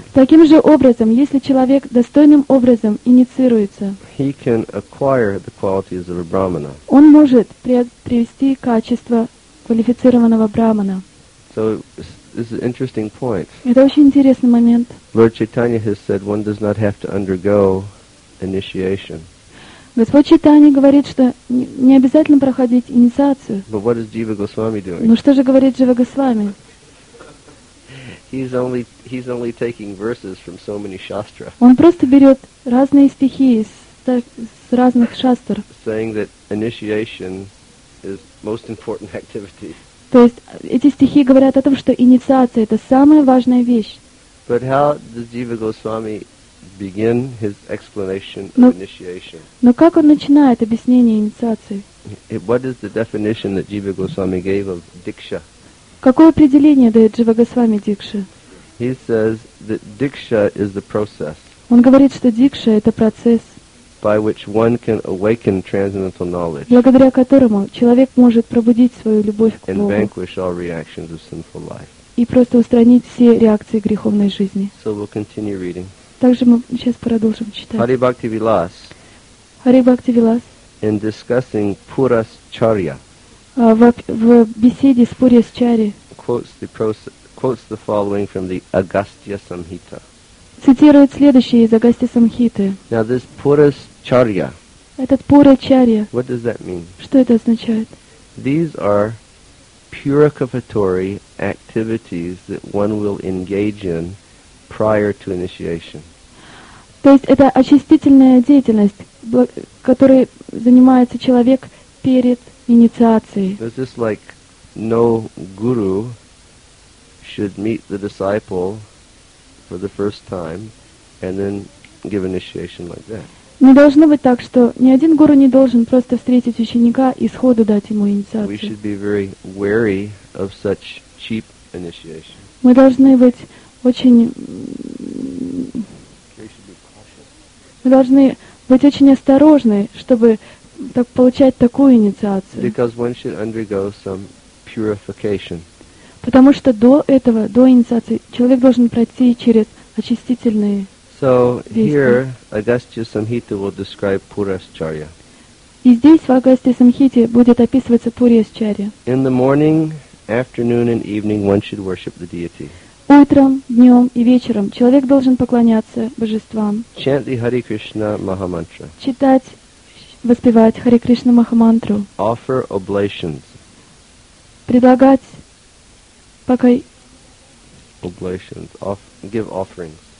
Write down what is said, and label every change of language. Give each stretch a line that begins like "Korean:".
Russian: Таким же образом, если человек достойным образом инициируется.
English: He can acquire the qualities of a brahmana.
Russian: Он может приобрести качества квалифицированного брахмана.
English: So this is an interesting point.
Russian: Это очень интересный момент.
English: Lord Chaitanya has said one does not have to undergo initiation.
Russian: Господь Чайтанья говорит, что не обязательно проходить инициацию.
English: But what is Jiva Goswami doing?
Russian: Но что же говорит Джива Госвами?
English: He's only taking verses from so many shastra.
Russian: Он просто берет разные стихи из разных шастр.
English: Saying that initiation is most important activity.
Russian: То есть эти стихи говорят о том, что инициация это самая важная вещь.
English: But how does Jiva Goswami begin his explanation of initiation?
Russian: Но как он начинает объяснение инициации?
English: What is the definition that Jiva Goswami gave of diksha?
Russian: Какое определение дает Джива Госвами дикше?
English: He says that diksha is the process.
Russian: Он говорит, что дикша это процесс.
English: By which one can awaken transcendental knowledge.
Russian: Благодаря которому человек может пробудить свою любовь к Богу.
English: And vanquish all reactions of sinful life.
Russian: И просто устранить все реакции греховной жизни.
English: So we'll continue reading.
Russian: Также мы сейчас продолжим читать.
English: Hari Bhakti Vilas.
Russian: Hari Bhakti Vilas.
English: In discussing Purascharya.
Russian: В беседе с Пурьяс-чари
English: quotes the following from the Agastya Samhita.
Russian: Цитирует следующее из Агастья Самхиты.
English: Now this Purascharya.
Russian: Этот Пурьяс-чария.
English: What does that mean?
Russian: Что это означает?
English: These are purificatory activities that one will engage in prior to initiation.
Russian: То есть это очистительная деятельность, которой занимается человек перед инициации.
English: It's just like no guru should meet the disciple for the first time and then give initiation like that.
Russian: Не должно быть так, что ни один гуру не должен просто встретить ученика и сходу дать ему инициацию.
English: We should be very wary of such cheap initiation.
Russian: Мы должны быть очень осторожны, чтобы так получать такую инициацию.
English: Because one should undergo some purification.
Russian: Потому что до этого, до инициации, человек должен пройти через очистительные действия.
English: So here Agastya Samhita will describe Purascharya.
Russian: И здесь в Агастья Самхите будет описываться Пурьяс-чария.
English: In the morning, afternoon and evening one should worship the deity.
Russian: Утром, днем и вечером человек должен поклоняться божествам.
English: Chant the Hare Krishna Mahamantra.
Russian: Читать воспевать Хари Кришна Махамантру.
English: Offer oblations.
Russian: Предлагать покай.
English: Oblations. Give offerings.